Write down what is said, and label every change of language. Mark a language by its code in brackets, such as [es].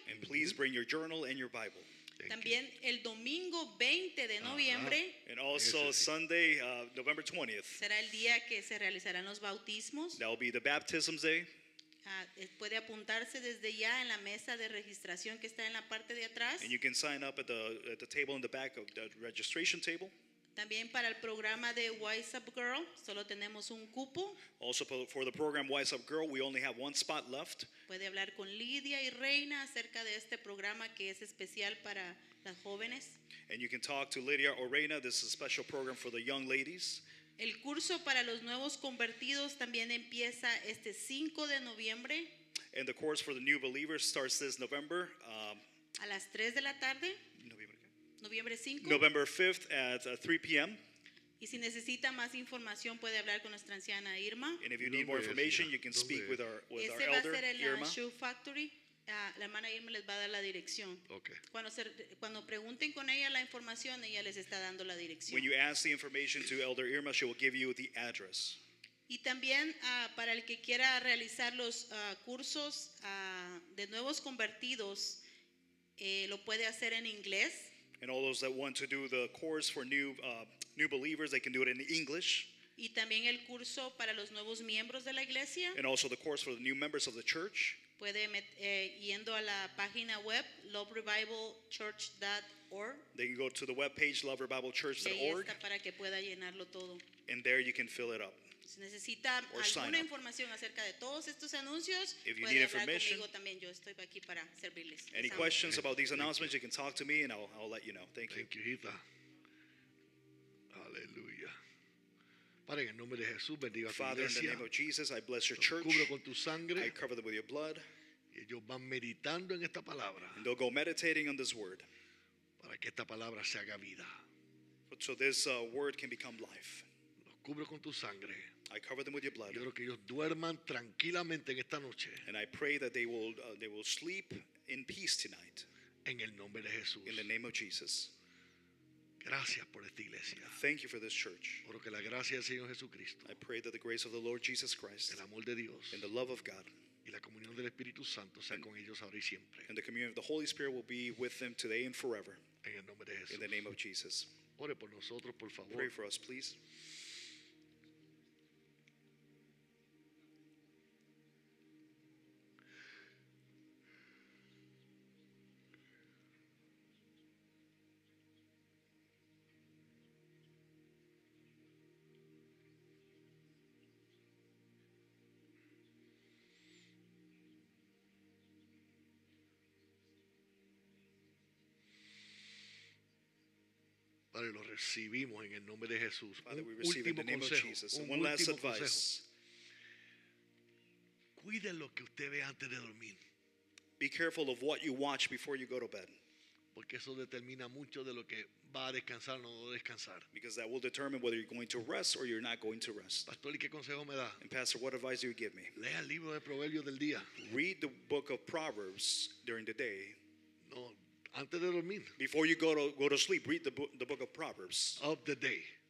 [en] And please mm-hmm. bring your journal and your Bible. Thank [es] también you. El domingo 20 de noviembre. [en] Uh-huh. And also Sunday, November 20th. [es] Será el día que se realizarán los bautismos. [en] That will be the baptisms day. [es] Puede apuntarse desde ya en la mesa de registración que está en la parte de atrás. [en] And you can sign up at the table in the back of the registration table. [es] También para el programa de Wise Up Girl, solo tenemos un cupo. [en] Also for the program Wise Up Girl, we only have one spot left. [es] Puede hablar con Lidia y Reina acerca de este programa que es especial para las jóvenes. [en] And you can talk to Lydia or Reina, this is a special program for the young ladies. [es] El curso para los nuevos convertidos también empieza este 5 de noviembre. [en] And the course for the new believers starts this November. [es] A las 3 de la tarde. [en] November 5. November 5th at 3 p.m. [es] Y si necesita más información puede hablar con nuestra anciana Irma. [en] And if you need more information, you can speak with our elder, Irma. [es] Ese va a ser el Shoe Factory. La hermana Irma les va a dar la dirección. [en] Okay. [es] Cuando pregunten con ella la información, ella les está dando la dirección. [en] When you ask the information to Elder Irma, she will give you the address. [es] Y también para el que quiera realizar los cursos de nuevos convertidos, lo puede hacer en inglés. [en] And all those that want to do the course for new believers, they can do it in English. [es] Y también el curso para los nuevos miembros de la iglesia. [en] And also the course for the new members of the church. [es] Puede yendo a la página web loverevivalchurch.org. [en] They can go to the webpage loverevivalchurch.org. [es] Y ahí está para que pueda llenarlo todo. [en] And there you can fill it up. [es] Si necesita alguna información acerca de todos estos anuncios, puede hablar conmigo también. Yo estoy aquí para servirles. [en] Any questions about these announcements, you can talk to me and I'll let you know. Thank you. Thank you, aleluya. [es] Padre, en el nombre de Jesús, bendiga a tu iglesia. [en] In the name of Jesus, I bless your church. [es] Cubro con tu sangre. [en] I cover them with your blood. [es] Y ellos van meditando en esta palabra. [en] And they'll go meditating on this word. [es] Para que esta palabra se haga vida. [en] So this word can become life. [es] Cubro con tu sangre. [en] I cover them with your blood. [es] Yo creo que ellos duerman tranquilamente en esta noche. [en] And I pray that they will sleep in peace tonight. [es] En el nombre de Jesús. [en] In the name of Jesus. [es] Gracias por esta iglesia. [en] Thank you for this church. [es] Oro que la gracia del Señor Jesucristo. [en] I pray that the grace of the Lord Jesus Christ. [es] El amor de Dios. [en] And the love of God. [es] Y la comunión del Espíritu Santo sea con ellos ahora y siempre. [en] And the communion of the Holy Spirit will be with them today and forever. [es] En el nombre de Jesús. [en] In the name of Jesus. [es] Ore por nosotros, por favor. [en] Pray for us, please. [es] Padre, lo recibimos en el nombre de Jesús. Un último consejo. Cuide lo que usted ve antes de dormir. [en] Be careful of what you watch before you go to bed. [es] Porque eso determina mucho de lo que va a descansar o no descansar. [en] Because that will determine whether you're going to rest or you're not going to rest. [es] Pastor, ¿qué consejo me da? [en] And Pastor, what advice do you give me? [es] Lea el libro de Proverbios del día. [en] Read the book of Proverbs during the day. [es] No, antes de dormir. [en] Before you go to sleep, read the book of Proverbs. Of the day.